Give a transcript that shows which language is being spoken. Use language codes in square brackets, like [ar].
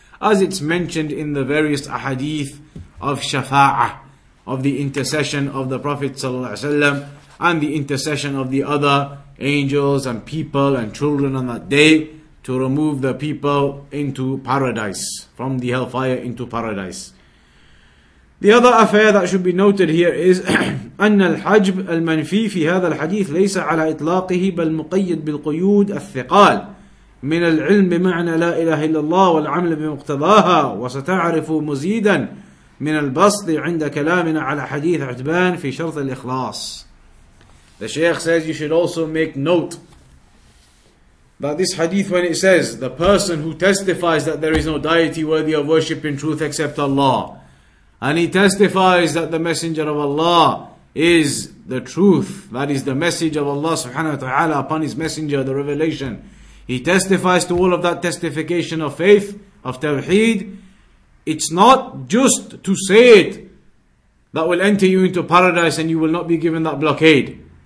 [en] As it's mentioned in the various ahadith of shafa'ah, of the intercession of the Prophet ﷺ and the intercession of the other angels and people and children on that day to remove the people into paradise, from the hellfire into paradise. The other affair that should be noted here is [ar] أن الحجب المنفي في هذا الحديث ليس على إطلاقه بل مقيد بالقيود الثقال من العلم بمعنى لا إله إلا الله والعمل بمقتضاها وستعرف مزيدا من البسط عند كلامنا على حديث عتبان في شرط الإخلاص. [en] The Shaykh says you should also make note that this hadith, when it says the person who testifies that there is no deity worthy of worship in truth except Allah, and he testifies that the Messenger of Allah is the truth, that is the message of Allah subhanahu wa ta'ala upon his messenger, the revelation, he testifies to all of that testification of faith, of Tawheed, it's not just to say it that will enter you into paradise and you will not be given that blockade.